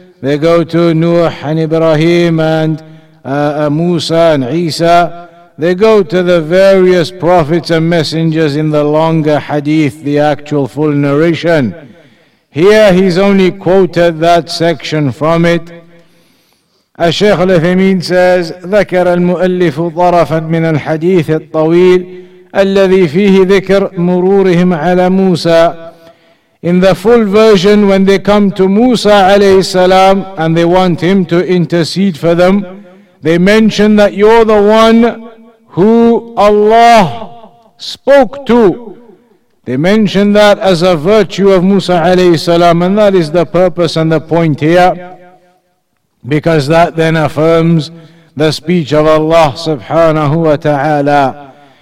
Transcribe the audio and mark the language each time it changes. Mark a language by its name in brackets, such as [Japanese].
[English] They go to Nuh and Ibrahim and Musa and Isa. They go to the various prophets and messengers in the longer hadith, the actual full narration. Here he's only quoted that section from it. [Arabic] الشيخ الأثيمين says, ذكر المؤلف طرفا من الحديث الطويل الذي فيه ذكر مرورهم على موسى. [English] In the full version, when they come to Musa عليه السلام and they want him to intercede for them, they mention that you're the one who Allah spoke to. They mention that as a virtue of Musa alayhi salam, and that is the purpose and the point here, because that then affirms the speech of Allah subhanahu wa ta'ala.